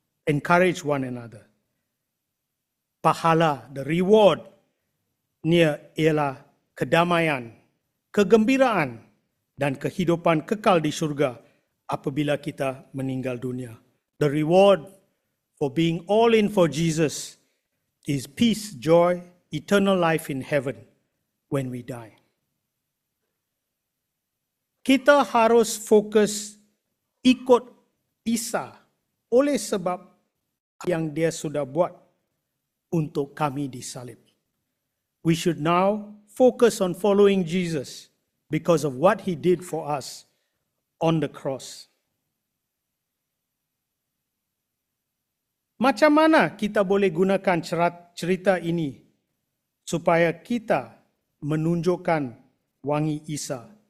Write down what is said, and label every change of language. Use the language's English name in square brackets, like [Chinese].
[English] Encourage one another. [Malay] Pahala, [English] the reward, [Malay] nia ialah kedamaian, kegembiraan dan kehidupan kekal di syurga apabila kita meninggal dunia. [English] The reward for being all in for Jesus is peace, joy, eternal life in heaven when we die. [Malay] Kita harus fokus ikut Isa oleh sebab yang dia sudah buat untuk kami di salib. [English] We should now focus on following Jesus because of what he did for us on the cross. [Malay] Macam mana kita boleh gunakan cerita ini supaya kita menunjukkan wangi Isa?